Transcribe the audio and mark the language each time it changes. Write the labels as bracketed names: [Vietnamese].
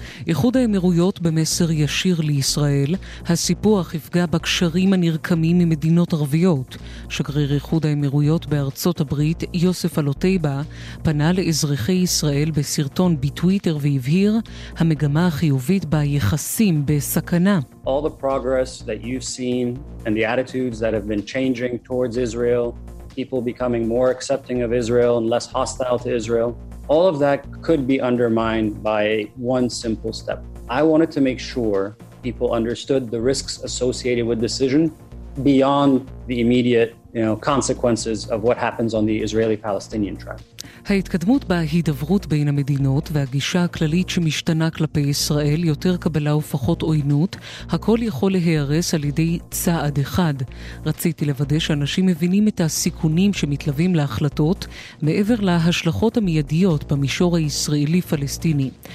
[Hebrew] איחוד האמירויות במסר ישיר לישראל, הסיפוח יפגע בקשרים הנרקמים ממדינות ערביות. שגריר איחוד האמירויות בארצות הברית, יוסף אלוטייבה, פנה לאזרחי ישראל בסרטון בטוויטר והבהיר, המגמה החיובית ביחסים בסכנה. [English] All the progress that you've seen and the attitudes that have been changing towards Israel, people becoming more accepting of Israel and less hostile to Israel, all of that could be undermined by one simple step. I wanted to make sure people understood the risks associated with decision beyond the immediate, you know, consequences of what happens on the Israeli-Palestinian track. [Hebrew] ההתקדמות בהידברות בין המדינות והגישה הכללית שמשתנה כלפי ישראל, יותר קבלה ופחות עוינות, הכל יכול להיהרס על ידי צעד אחד. רציתי לוודא שאנשים מבינים את הסיכונים שמתלווים להחלטות, מעבר להשלכות המיידיות במישור הישראלי-פלסטיני.